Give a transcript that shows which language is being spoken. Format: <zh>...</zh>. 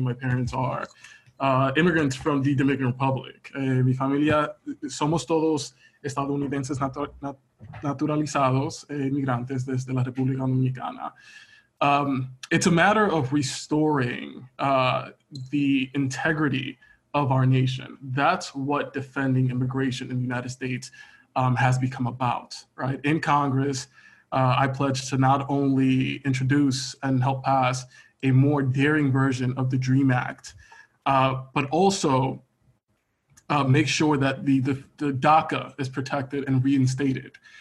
<en>My parents are immigrants from the Dominican Republic.</en> <es>Mi familia somos todos estadounidenses naturalizados, migrantes desde la República Dominicana.</es> <en>It's a matter of restoring the integrity of our nation. That's what defending immigration in the United States has become about, right? In Congress, I pledged to not only introduce and help pass a more daring version of the DREAM Act, but also make sure that the DACA is protected and reinstated.</en>